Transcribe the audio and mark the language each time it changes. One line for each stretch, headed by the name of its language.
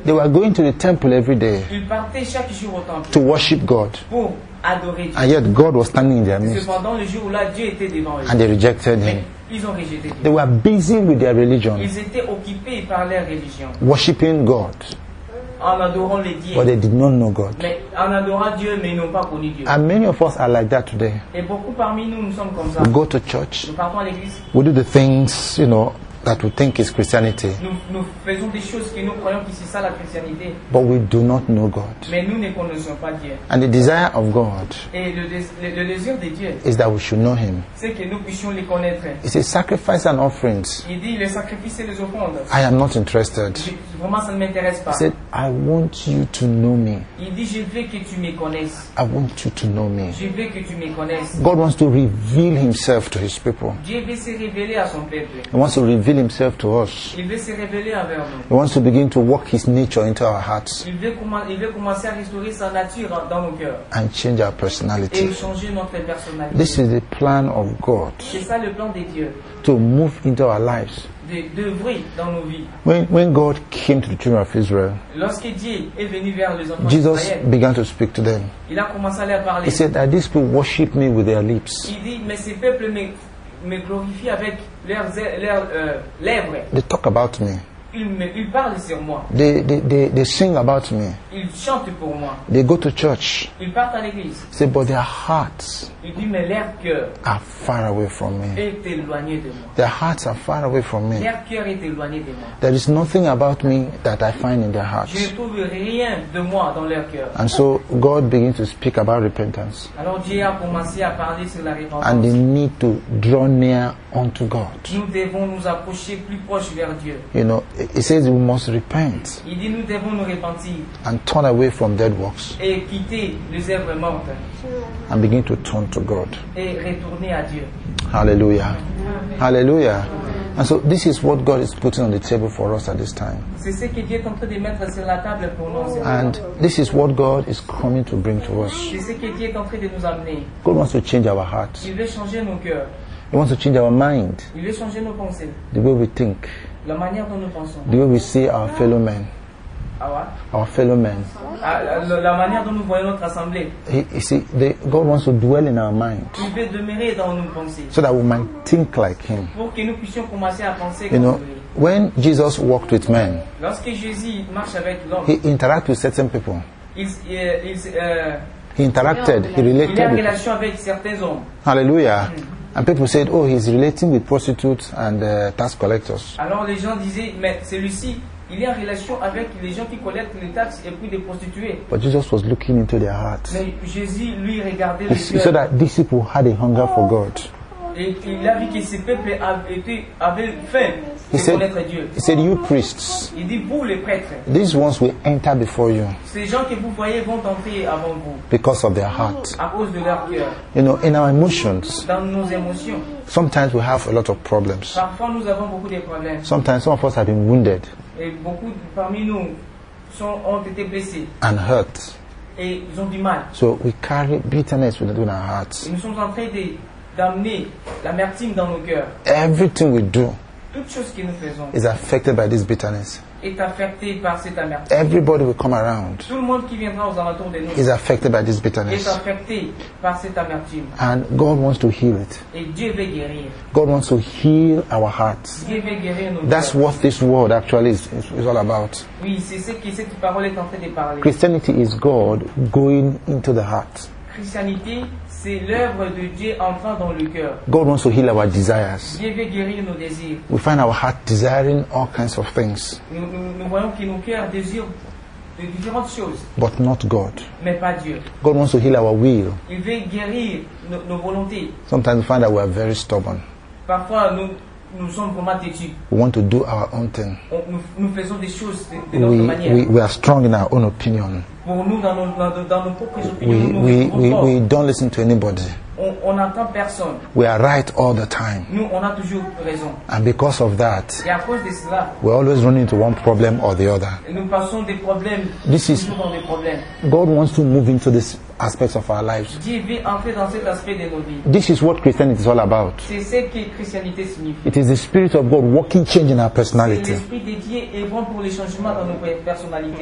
English: They were going to the temple every day.
French: Ils partaient chaque jour au temple.
English: To worship God.
French: Pour adorer Dieu.
English: And yet God was standing in their midst.
French: Cependant, le jour où là, Dieu était devant eux.
English: And they rejected him.
French: Ils ont rejeté Dieu.
English: They were busy with their religion.
French: Ils étaient occupés par leur religion.
English: Worshipping God.
French: En adorant les dieux.
English: But they did not know God.
French: Mais en adorant Dieu, mais ils n'ont pas connu Dieu.
English: And many of us are like that today.
French: Et beaucoup parmi nous, nous sommes comme ça.
English: We go to church.
French: Nous partons à l'église.
English: We do the things, you know, that we think is Christianity.
French: Nous faisons des choses que nous croyons que c'est ça la christianité.
English: But we do not know God.
French: Mais nous ne connaissons pas Dieu.
English: And the desire of God,
French: et le désir de Dieu,
English: is that we should know him.
French: C'est que nous puissions le connaître.
English: It's a sacrifice and offerings.
French: Il dit les sacrifices et les offrandes.
English: I am not interested.
French: Vraiment, ça ne m'intéresse pas.
English: He said, I want you to know me.
French: Il dit, je veux que tu me connaisses.
English: I want you to know me.
French: Je veux que tu me connaisses.
English: God wants to reveal himself to his people.
French: Dieu veut se révéler à son peuple.
English: He wants to reveal reveal himself to us.
French: Il veut se révéler envers nous.
English: He wants to begin to work his nature into our hearts.
French: Il veut commencer à restaurer sa nature dans nos cœurs.
English: And change our personality.
French: Et changer notre personnalité.
English: This is the plan of God.
French: C'est ça le plan de Dieu.
English: To move into our lives.
French: De dans nos vies.
English: When God came to the children of Israel,
French: lorsque Dieu est venu vers les enfants d'Israël,
English: Jesus began to speak to them.
French: Il a commencé à leur parler.
English: He said that these people worship me with their lips.
French: Il dit, mais ces peuples me glorifient avec leurs lèvres.
English: They talk about me.
French: Ils parlent sur moi.
English: They sing about me.
French: Ils chantent pour moi.
English: They go to church.
French: Ils partent à l'église.
English: He said, but their hearts.
French: Il dit, mais leur cœur
English: are far away from me.
French: Est éloigné de moi.
English: Their hearts are far away from me.
French: Leur cœur est éloigné de moi.
English: There is nothing about me that I find in their hearts.
French: Je ne trouve rien de moi dans leur cœur.
English: And so God begins to speak about repentance.
French: Alors Dieu a commencé à parler sur la repentance.
English: And the need to draw near unto God.
French: Nous devons nous approcher plus proche vers Dieu.
English: You know, he says we must repent.
French: Il dit, nous devons nous repentir.
English: And turn away from dead works.
French: Et quitter les œuvres mortes.
English: And begin to turn to God.
French: Et retourner à Dieu.
English: Hallelujah. Hallelujah. And so this is what God is putting on the table for us at this time.
French: C'est ce que Dieu est en train de mettre sur la table pour nous.
English: And this is what God is coming to bring to us.
French: C'est ce que Dieu est en train de nous amener.
English: God wants to change our hearts.
French: Il veut changer nos cœurs.
English: He wants to change our mind.
French: Il veut changer nos pensées.
English: The way we think.
French: La manière dont nous pensons.
English: The way we see our fellow men. Our fellow men.
French: La manière dont nous voyons notre assemblée.
English: God wants to dwell in our mind.
French: Il veut demeurer dans nos pensées.
English: So that we might think like him.
French: Pour que nous puissions commencer à penser comme lui.
English: When Jesus walked with men.
French: Lorsque Jésus marche avec l'homme.
English: He interacted with certain people. He interacted. He related.
French: Il a une relation avec certains hommes.
English: Hallelujah. And people said, "Oh, he's relating with prostitutes and tax collectors."
French: Alors les gens disaient, mais celui-ci. Il est en relation avec les gens qui collectent les taxes et puis des prostituées.
English: But Jesus was looking into their hearts.
French: Mais Jésus lui regardait les cœurs.
English: He saw that these people had a hunger for God.
French: Et il a vu que ces peuples avaient faim de connaître Dieu.
English: He said, "You priests."
French: Il dit, vous les prêtres.
English: These ones will enter before you.
French: Ces gens que vous voyez vont entrer avant vous.
English: Because of their hearts.
French: À cause de leur cœur.
English: You know, in our emotions.
French: Dans nos émotions.
English: Sometimes we have a lot of problems.
French: Parfois nous avons beaucoup de problèmes.
English: Sometimes some of us have been wounded.
French: Et beaucoup parmi nous ont été blessés.
English: And hurt.
French: Et ils ont du mal.
English: So we carry bitterness within our hearts.
French: Et nous sommes en train d'amener l'amertume dans nos cœurs.
English: Everything we do.
French: Toute chose que nous faisons.
English: Is affected by this bitterness.
French: Est affecté par cette amertume.
English: Everybody will come around.
French: Tout le monde qui viendra aux alentours de nous.
English: Is affected by this bitterness.
French: Est affecté par cette amertume.
English: And God wants to heal it.
French: Et Dieu veut guérir.
English: God wants to heal our hearts.
French: Dieu veut guérir nos cœurs.
English: That's what this word actually is all about.
French: Oui, c'est ce que cette parole est en train de parler.
English: Christianity is God going into the heart.
French: Christianité, c'est l'œuvre de Dieu entrant dans le cœur.
English: God wants to heal our desires.
French: Dieu veut guérir nos désirs.
English: We find our heart desiring all kinds of things.
French: Nous voyons que nos cœurs désirent de différentes choses.
English: But not God.
French: Mais pas Dieu.
English: God wants to heal our will.
French: Il veut guérir nos volontés.
English: Sometimes we find that we are very stubborn.
French: Parfois nous sommes vraiment têtus.
English: We want to do our own thing.
French: Nous faisons des choses de notre manière.
English: We are strong in our own opinion.
French: Pour nous, dans nos propres opinions,
English: we don't listen to anybody.
French: On n'entend personne.
English: We are right all the time.
French: Nous, on a toujours raison.
English: And because of that,
French: et à cause de cela,
English: we always run into one problem or the other.
French: Et nous passons des problèmes.
English: This is
French: toujours des problèmes.
English: God wants to move into this aspect of our lives.
French: Dieu veut entrer dans cet aspect de nos vies.
English: This is what Christianity is all about.
French: C'est ce que Christianité signifie.
English: It is the Spirit of God working change in our personality.
French: C'est l'Esprit de Dieu et bon pour les changements dans nos personnalités.